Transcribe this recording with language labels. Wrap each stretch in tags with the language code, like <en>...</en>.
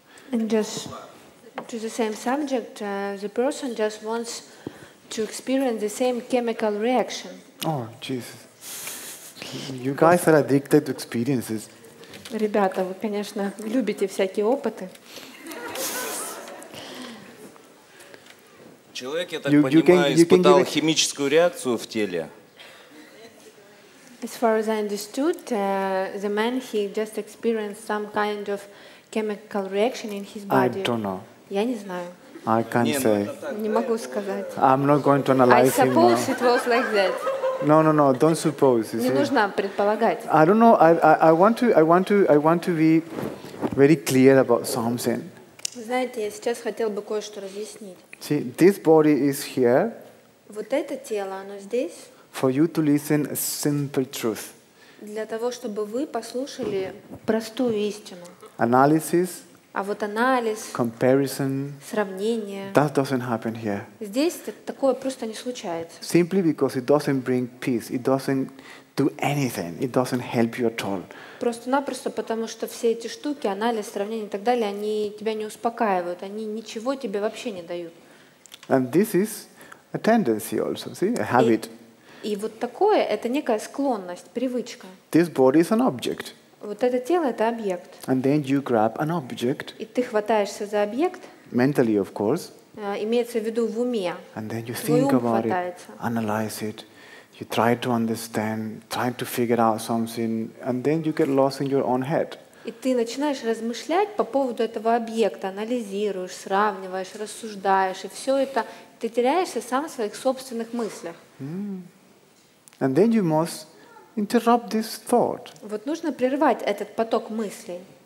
<en>And just to the same subject, the person just wants to experience the same chemical reaction. Oh, Jesus. You guys are addicted to experiences.</en> <ru>Ребята, вы, конечно, любите всякие опыты. Человек, я так понимаю, испытал химическую реакцию в теле.</ru> <en>As far as I understood, the man, he just experienced some kind of chemical reaction in his body. I don't know.</en> <ru>Я не знаю.</ru> <en>I can't say.</en> <ru>Не могу сказать.</ru> <en>I'm not going to analyze him. I suppose it was like that. No. Don't suppose.</en> <ru>Не нужно предполагать.</ru> <en>I don't know. I want to be very clear about something.</en> <ru>Знаете, я сейчас хотел бы кое-что разъяснить.</ru> <en>See, this body is here.</en> <ru>Вот это тело, оно здесь.</ru> <en>For you to listen a simple truth.</en> <ru>Для того, чтобы вы послушали простую истину.</ru> <en>Analysis.</en> <ru>А вот анализ.</ru> <en>Comparison.</en> <ru>Сравнение.</ru> <en>That doesn't happen here.</en> <ru>Здесь такое просто не случается.</ru> <en>Simply because it doesn't bring peace. It doesn't do anything. It doesn't help you at all.</en> <ru>Просто-напросто потому, что все эти штуки, анализ, сравнение и так далее, они тебя не успокаивают. Они ничего тебе вообще не дают.</ru> <en>And this is a tendency also, see? A habit.</en> <ru>И вот такое — это некая склонность, привычка.</ru> <en>This body is an object.</en> <ru>Вот это тело — это объект.</ru> <en>And then you grab an object.</en> <ru>И ты хватаешься за объект.</ru> <en>Mentally, of course.</en> <ru>Имеется в виду в уме.</ru> <en>And then you think about it, analyze it, you try to understand, try to figure out something, and then you get lost in your own head.</en> <ru>И ты начинаешь размышлять по поводу этого объекта, анализируешь, сравниваешь, рассуждаешь, и все это ты теряешься сам в своих собственных мыслях.</ru> <en>And then you must interrupt this thought.</en> <ru>Вот нужно прервать этот поток мыслей.</ru>